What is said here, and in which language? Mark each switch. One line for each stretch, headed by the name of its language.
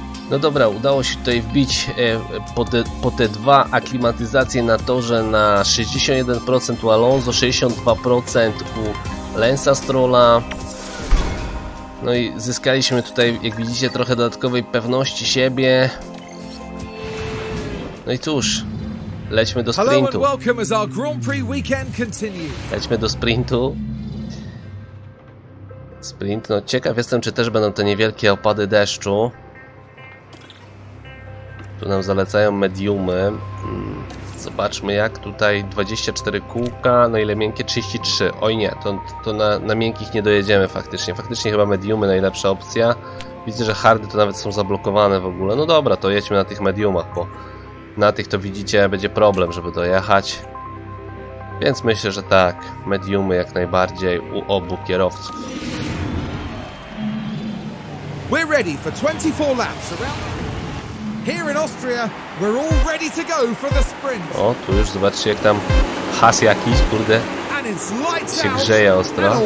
Polish: No dobra, udało się tutaj wbić po T2 aklimatyzację na torze na 61% u Alonso, 62% u Lensa Strolla. No i zyskaliśmy tutaj, jak widzicie, trochę dodatkowej pewności siebie. No i cóż. Lećmy do sprintu.
English: Hello and welcome as our Grand Prix weekend continues.
Polish: Lećmy do sprintu. Sprint, no ciekaw jestem, czy też będą te niewielkie opady deszczu. Tu nam zalecają mediumy. Zobaczmy jak tutaj 24 kółka, no ile miękkie? 33. Oj nie, to na miękkich nie dojedziemy faktycznie. Faktycznie chyba mediumy najlepsza opcja. Widzę, że hardy to nawet są zablokowane w ogóle. No dobra, to jedźmy na tych mediumach, bo na tych to widzicie będzie problem, żeby dojechać. Więc myślę, że tak, mediumy jak najbardziej u obu kierowców.
English: We're ready for 24 laps around here in Austria. We're all ready to go for the sprint.
Polish: O, tu już zobaczcie, jak tam has jakiś, kurde, się grzeje ostro.